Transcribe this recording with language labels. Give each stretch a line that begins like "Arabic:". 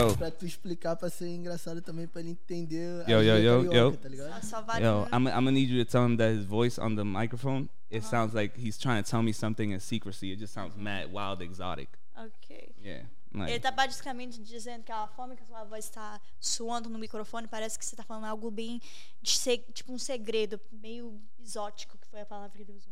Portuguese: tipo, explicar pra ser engraçado também, pra ele entender. Yo, tá ligado?
English: I'm gonna need you to tell him that his voice on the microphone, it sounds like he's trying to tell me something in secrecy. It just sounds mad, wild, exotic. Okay. Yeah.
Portuguese: Ele tá basicamente dizendo que ela fome, que a sua voz tá suando no microfone. Parece que você tá falando algo bem de tipo um segredo, meio exótico, que foi a palavra que ele usou.